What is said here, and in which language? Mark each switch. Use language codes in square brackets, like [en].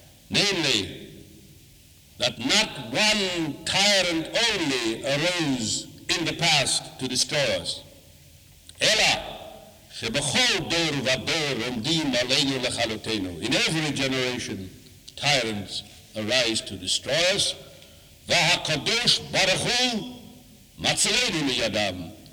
[en] Namely, that not one tyrant only arose in the past to destroy us. [he] Ela, שבכל דור ודור עומדים עלינו לחלותינו. [en] In every generation, tyrants arise to destroy us. [he] והקדוש ברוך הוא מצילנו מידם.